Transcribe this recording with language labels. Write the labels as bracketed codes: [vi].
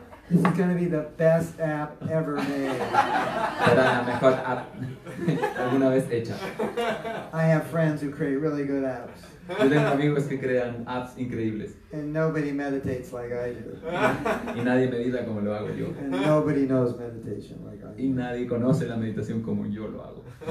[en] This is gonna be the best app ever made. [es] Será la mejor app alguna vez hecha. [en] I have friends who create really good apps. [es] Yo tengo amigos que crean apps increíbles. [en] And nobody meditates like I do. [es] Y nadie medita como lo hago yo. [en] And nobody knows meditation like I do. [es] Y nadie conoce la meditación como yo lo hago.